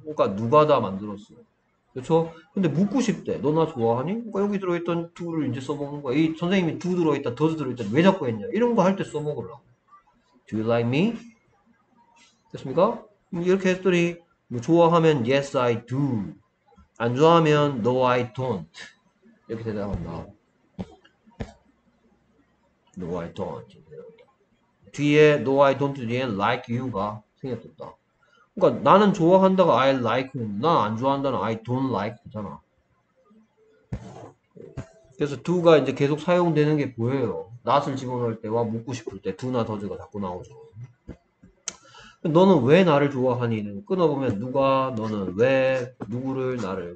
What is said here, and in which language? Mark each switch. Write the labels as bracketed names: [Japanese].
[Korean] 그러니까 누가다 만들었어요. 그렇죠? 근데 묻고 싶대. 너나 좋아하니? 그러니까 여기 들어있던 두를 이제 써먹는 거야. 이 선생님이 두 들어있다, 더즈 들어있다, 왜 자꾸 했냐? 이런 거할때 써먹으려고. [English] Do you like me? [Korean] 됐습니까? 이렇게 했더니 뭐 좋아하면 [English] Yes, I do. [Korean] 안 좋아하면 [English] No, I don't. [Korean] 이렇게 대답한다. [English] No, I don't. [Korean] 뒤에 [English] No, I don't [Korean] 뒤에 [English] Like you [Korean] 가 생겼다. 그러니까 나는 좋아한다가 [English] I like, [Korean] 나안 좋아한다는 [English] I don't like [Korean] 잖아. 그래서 do가 이제 계속 사용되는 게 보여요. not을 집어넣을 때와 묻고 싶을 때 do나 does가 자꾸 나오죠. 너는 왜 나를 좋아하니? 끊어보면 누가, 너는 왜, 누구를, 나를.